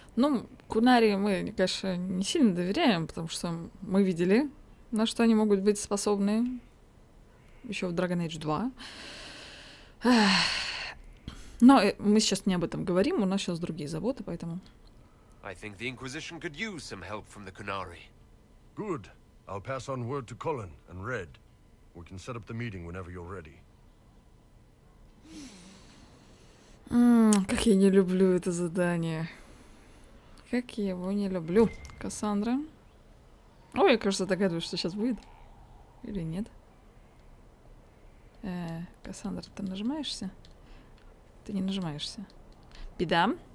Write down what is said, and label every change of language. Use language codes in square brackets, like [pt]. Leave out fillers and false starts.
[ru] Ну, Кунари мы, конечно, не сильно доверяем, потому что мы видели, на что они могут быть способны. Еще в Dragon Age 2. Но мы сейчас не об этом говорим, у нас сейчас другие заботы, поэтому... [en] I think the Inquisition could use some help from the Kunari. Good. I'll pass on word to Colin and Red. We can set up the meeting whenever you're ready. [ru] Как я не люблю это задание. Как я его не люблю, Кассандра. Ой, кажется, догадываюсь, что сейчас будет. Или нет? Кассандра, ты нажимаешься? Ты не нажимаешься. Беда.